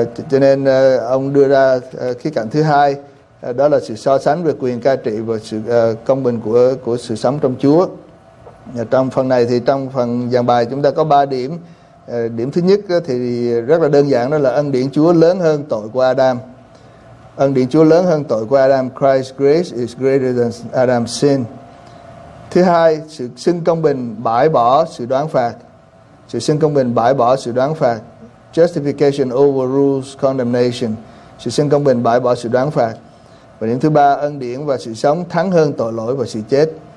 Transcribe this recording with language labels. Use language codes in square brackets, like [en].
[vi] Cho nên ông đưa ra khía cạnh thứ hai, đó là sự so sánh về quyền cai trị và sự công bình của sự sống trong Chúa. Trong phần này thì trong phần giảng bài chúng ta có 3 điểm. Điểm thứ nhất thì rất là đơn giản, đó là ân điển Chúa lớn hơn tội của Adam. Ân điển Chúa lớn hơn tội của Adam. [en] Christ's grace is greater than Adam's sin. [vi] Thứ hai, sự xưng công bình bãi bỏ sự đoán phạt. Sự xưng công bình bãi bỏ sự đoán phạt. [en] Justification overrules condemnation. [vi] Sự xưng công bình bãi bỏ sự đoán phạt. Và điểm thứ ba, ân điển và sự sống thắng hơn tội lỗi và sự chết.